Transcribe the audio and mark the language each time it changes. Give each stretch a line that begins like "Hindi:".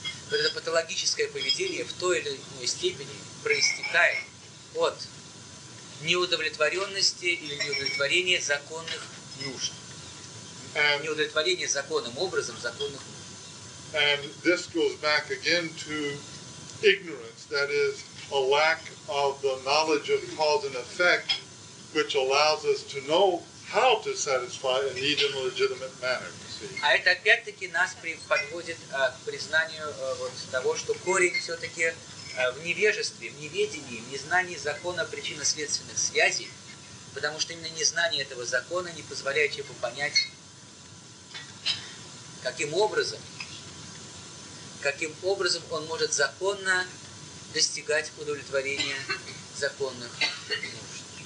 Russian: Вот это патологическое поведение в той или иной степени проистекает от неудовлетворенности или неудовлетворения законных нужд. Неудовлетворения законным образом законных нужд.
English: And this goes back again to ignorance, that is, a lack of the knowledge of cause and effect, which allows us to know how to satisfy a need in a legitimate manner.
Russian: А это опять-таки нас подводит к признанию вот того, что корень все-таки в невежестве, в неведении, в незнании закона причинно-следственных связей, потому что именно незнание этого закона не позволяет человеку понять, каким образом он может законно достигать удовлетворения законных нужд.